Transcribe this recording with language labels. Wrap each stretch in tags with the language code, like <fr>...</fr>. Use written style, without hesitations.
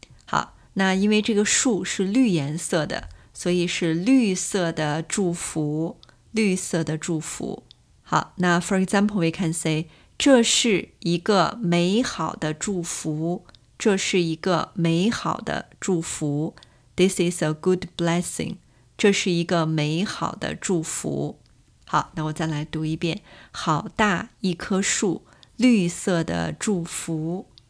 <zh>好，那因为这个树是绿颜色的，所以是绿色的祝福，绿色的祝福。好，那</zh> <en>for example we can say,</en> <zh>这是一个美好的祝福，这是一个美好的祝福。</zh> <en>This is a good blessing,</en> <zh>这是一个美好的祝福。好，那我再来读一遍，好大一棵树，绿色的祝福。</zh>